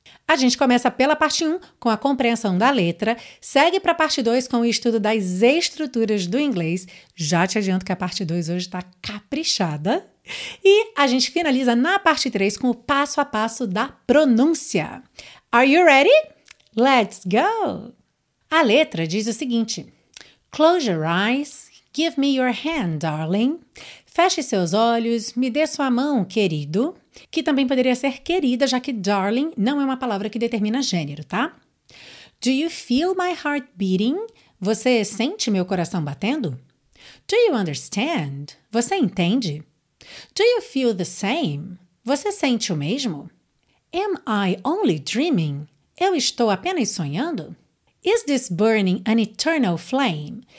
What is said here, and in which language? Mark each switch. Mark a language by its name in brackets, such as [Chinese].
[Portuguese] A gente começa pela parte 1, com a compreensão da letra, segue para a parte 2 com o estudo das estruturas do inglês. Já te adianto que a parte 2 hoje está caprichada. E a gente finaliza na parte 3 com o passo a passo da pronúncia. [English] Are you ready? Let's go! [Portuguese] A letra diz o seguinte. [English] Close your eyes, give me your hand, darling. [Portuguese] Feche seus olhos, me dê sua mão, querido. Que também poderia ser querida, já que darling não é uma palavra que determina gênero, tá? [English] Do you feel my heart beating? [Portuguese] Você sente meu coração batendo? [English] Do you understand? [Portuguese] Você entende? [English] Do you feel the same? [Portuguese] Você sente o mesmo? [English] Am I only dreaming? [Portuguese] Eu estou apenas sonhando? [English] Is this burning an eternal flame?